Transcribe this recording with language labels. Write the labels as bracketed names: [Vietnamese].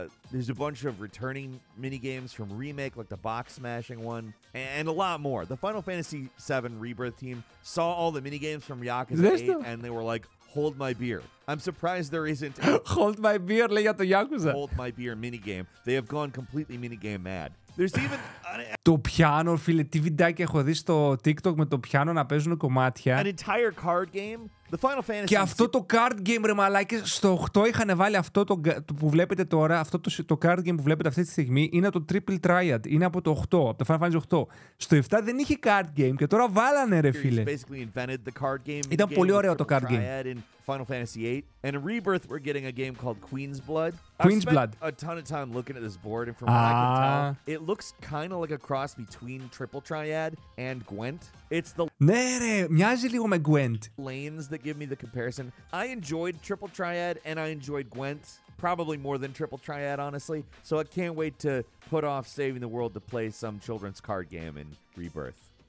[English] There's a bunch of returning mini games from Remake, like the box smashing one, and a lot more. The Final Fantasy VII Rebirth team saw all the mini games from Yakuza 8, and they were like, hold my beer. I'm surprised there isn't a hold my beer, [Greek] λέει για το Yakuza. [English] Hold my beer minigame. They have gone completely minigame mad. There's even [Greek] το πιάνο, φίλε, τι βιντεάκι έχω δει στο TikTok με το πιάνο να παίζουν κομμάτια. [English] An entire card game. The Final Fantasy. [Greek] Και αυτό το card game, ρε μαλάκες, στο 8 είχαν βάλει αυτό το που βλέπετε τώρα, αυτό το card game που βλέπετε αυτή τη στιγμή, είναι το Triple Triad, είναι από το 8, από το Final Fantasy 8. Στο 7 δεν είχε card game και τώρα βάλανε, ρε φίλε. Ήταν πολύ ωραίο το card game. [English] Final Fantasy 8 and a Rebirth, we're getting a game called Queen's Blood. Queen's Blood. A ton of time looking at this board, and from what I can tell, it looks kind of like a cross between Triple Triad and Gwent. It's the [Greek] ναι, ρε, μοιάζει λίγο με Gwent. [English] Lanes that give me the comparison. I enjoyed Triple Triad and I enjoyed Gwent probably more than Triple Triad, honestly. So I can't wait to put off saving the world to play some children's card game in Rebirth.